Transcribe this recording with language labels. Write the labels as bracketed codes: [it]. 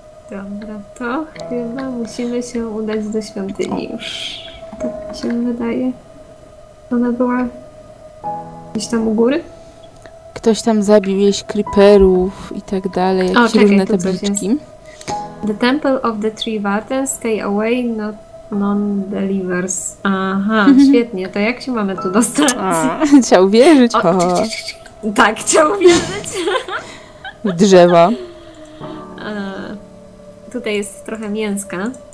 [pl] Dobra, to chyba musimy się udać do świątyni już. Tak mi się wydaje. Ona była gdzieś tam u góry? Ktoś tam zabił jej creeperów i tak dalej, jakieś różne tabliczki. [en] The temple of the three wardens, stay away, not non-believers. [pl] Aha, świetnie, to jak się mamy tu dostać? Chciał wierzyć. Tak, chciał wierzyć. W drzewa. Tutaj jest trochę mięska.